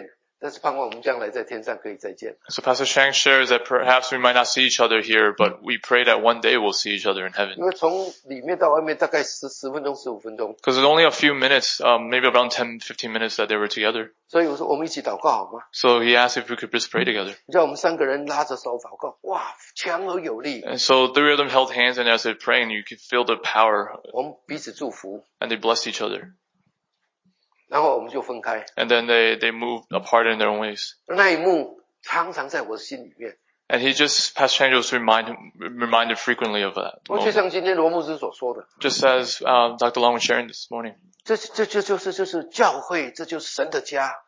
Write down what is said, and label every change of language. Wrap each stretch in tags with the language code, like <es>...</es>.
<zh>我说这是在天上的一种交流啊。所以我说，我们可能以后没有机会见面，但是盼望我们将来在天上可以再见。</zh> <en>So Pastor Chang shares that perhaps we might not see each other here, but we pray that one day we'll see each other in heaven.</en> <zh>因为从里面到外面大概十分钟，十五分钟。</zh> <en>Because it's only a few minutes, maybe around 10-15 minutes that they were together.</en> <zh>所以我说我们一起祷告好吗？</zh> <en>So he asked if we could just pray together.</en> <zh>让我们三个人拉着手祷告，哇，强而有力。</zh> <en>And so three of them held hands and as they're praying, you could feel the power.</en> <zh>我们彼此祝福。</zh> <en>And they blessed each other.</en> <zh>然后我们就分开。</zh> <en>And then they moved apart in their own ways.</en> <zh>那一幕常常在我心里面。</zh> <en>And Pastor Chang was reminded frequently of that.</en> <zh>就像今天罗牧师所说的。</zh> <en>Just as Dr. Long was sharing this morning.</en> <zh>这就是教会，这就是神的家。</zh>